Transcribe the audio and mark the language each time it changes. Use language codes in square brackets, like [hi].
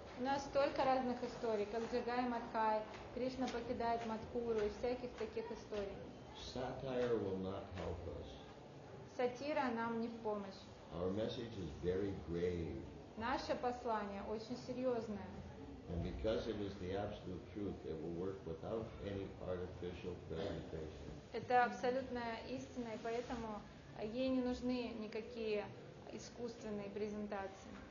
[ru] У нас столько разных историй, как Jagai Mahai, Кришна покидает Матхуру и всяких таких историй. [en] Satire will not help us. [ru] Сатира нам не в помощь. [en] Our message is very grave. [ru] Наше послание очень серьезное. [en] And because it is the absolute truth, it will work without any artificial presentation. [ru] Это абсолютная истина, и поэтому ей не нужны никакие искусственные презентации.